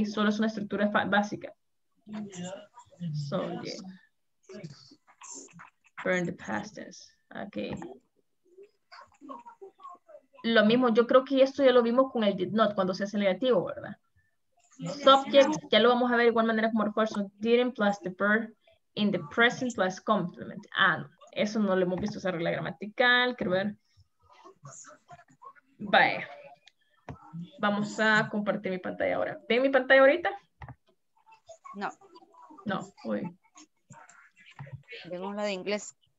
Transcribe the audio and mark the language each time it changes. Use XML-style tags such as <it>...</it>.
<es>Solo es una estructura básica.</es> <en>So, yeah. Burn the past tense. Okay.</en> <es>Lo mismo, yo creo que esto ya lo vimos con el did not, cuando se hace negativo, ¿verdad? Subject, ya lo vamos a ver de igual manera como refuerzo.</es> <en>Didn't plus the verb in the present plus complement.</en> <es>Ah, no. Eso no lo hemos visto, esa regla gramatical. Quiero ver. Vaya. Vamos a compartir mi pantalla ahora. ¿Ven mi pantalla ahorita? No. No, uy. Vemos la de inglés.</es>